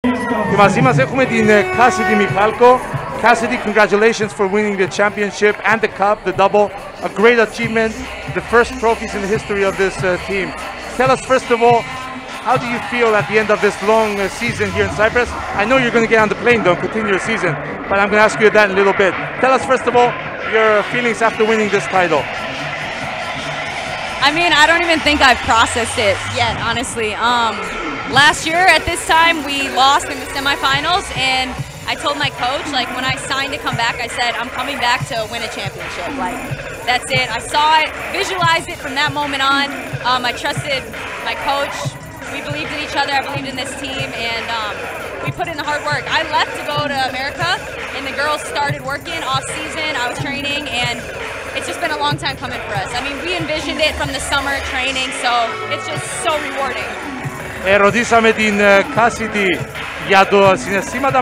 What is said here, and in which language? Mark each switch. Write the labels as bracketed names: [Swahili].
[Greek] Και μαζί μας έχουμε την Cassidy Μιχάλκο. [English] Cassidy, congratulations for winning the championship and the cup, the double. A great achievement, the first trophies in the history of this team. Tell us first of all, how do you feel at the end of this long season here in Cyprus? I know you're going to get on the plane though, continue your season, but I'm going to ask you that in a little bit. Tell us first of all, your feelings after winning this title. I mean, I don't even think I've processed it yet, honestly. Last year at this time, we lost in the semifinals, and I told my coach, like, when I signed to come back, I said, I'm coming back to win a championship. Like, that's it. I saw it, visualized it from that moment on. I trusted my coach. We believed in each other. I believed in this team, and we put in the hard work. I left to go to America, and the girls started working off-season. I was training, and it's just been a long time coming for us. I mean, we envisioned it from the summer training, so it's just so rewarding. [Greek] Ερωτήσαμε την Cassidy για το συναισθήματα.